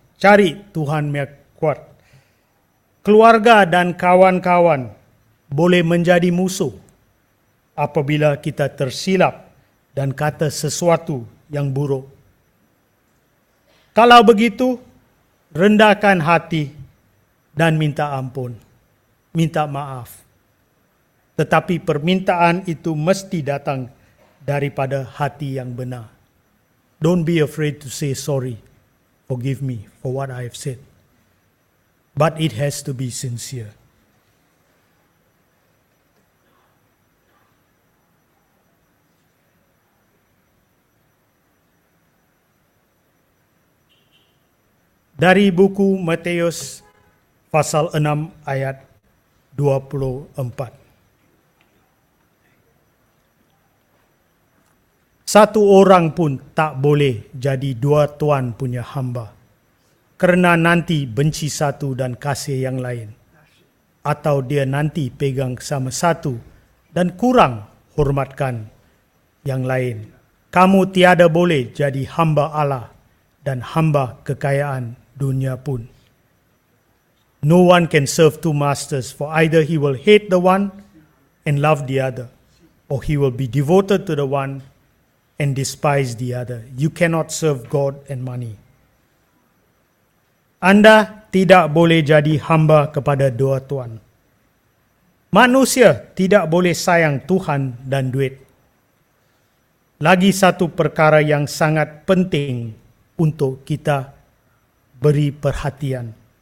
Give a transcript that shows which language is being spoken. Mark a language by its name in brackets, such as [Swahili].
[Malay] Cari Tuhan yang kuat. Keluarga dan kawan-kawan boleh menjadi musuh apabila kita tersilap dan kata sesuatu yang buruk. Kalau begitu, rendahkan hati dan minta ampun, minta maaf. Tetapi permintaan itu mesti datang daripada hati yang benar. [English] Don't be afraid to say sorry, forgive me for what I have said. But it has to be sincere. [Malay] Dari buku Matius pasal 6 ayat 24. Satu orang pun tak boleh jadi dua tuan punya hamba, kerana nanti benci satu dan kasih yang lain, atau dia nanti pegang sama satu dan kurang hormatkan yang lain. Kamu tiada boleh jadi hamba Allah dan hamba kekayaan dunia pun. [English] No one can serve two masters, for either he will hate the one and love the other, or he will be devoted to the one and despise the other. You cannot serve God and money. [Malay] Anda tidak boleh jadi hamba kepada dua tuan. Manusia tidak boleh sayang Tuhan dan duit. Lagi satu perkara yang sangat penting untuk kita beri perhatian.